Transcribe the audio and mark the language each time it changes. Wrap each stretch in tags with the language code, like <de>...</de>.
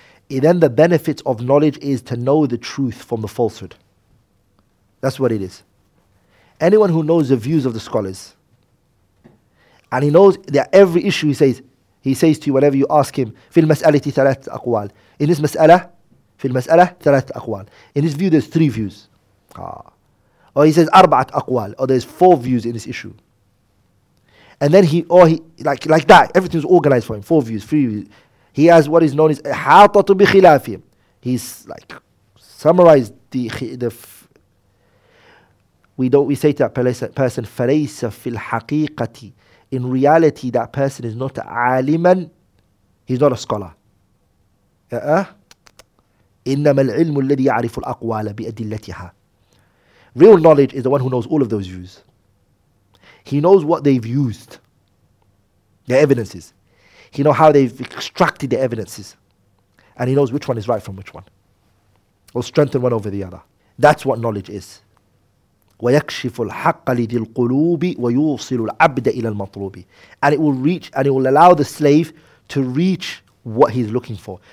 <en>And then the benefits of knowledge is to know the truth from the falsehood. That's what it is. Anyone who knows the views of the scholars, and he knows that every issue he says to you, whenever you ask him,</en> <ar>في المسألة ثلاث أقوال.</ar> <en>In this</en> <ar>مسألة, في المسألة ثلاث أقوال.</ar> <en>In this view, there's three views. Ah. Or he says,</en> <ar>أربعة أقوال.</ar> <en>Or there's four views in this issue. And then he, like that, everything's organized for him. Four views, three views. He has what is known as</en> <ar>إحاطة بخلافه.</ar> <en>He's like, summarized we say to that person,</en> <ar>فليس في الحقيقة.</ar> <en>In reality, that person is not عالماً. He's not a scholar.</en> <ar>إنما العلم الذي يعرف الأقوال بأدلتها.</ar> <en>Real knowledge is the one who knows all of those views. He knows what they've used, the evidences. He knows how they've extracted the evidences. And he knows which one is right from which one. Or strengthen one over the other. That's what knowledge is.</en> <ar>وَيَكْشِفُ الْحَقَّ لِذِي الْقُلُوبِ وَيُوصِلُ الْعَبْدَ إِلَى الْمَطْلُوبِ</ar> <en>And it will reach, and it will allow the slave to reach what he's looking for.</en>